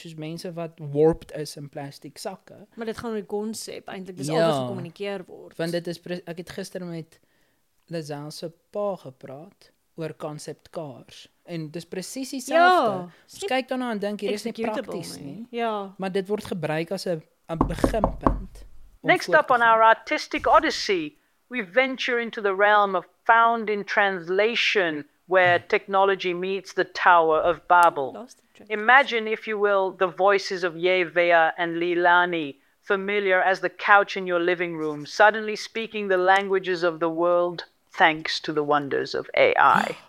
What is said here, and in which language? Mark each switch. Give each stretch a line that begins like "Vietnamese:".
Afrikaans: Soos mense wat warped is in plastic sakke. Maar dit gaan oor die concept, eindelijk dis yeah. alweer gecommunikeer word. Want dit is, ek het gister met Lizelle se pa gepraat oor concept cars. En dis precies die selfde. Ja, kyk daarna en dink, hier is nie prakties nie. Ja. Maar dit word gebruik as een beginpunt.
English: Next up on our artistic odyssey, we venture into the realm of found in translation where technology meets the Tower of Babel. Imagine, if you will, the voices of Ye Vea and Leilani, familiar as the couch in your living room, suddenly speaking the languages of the world thanks to the wonders of AI.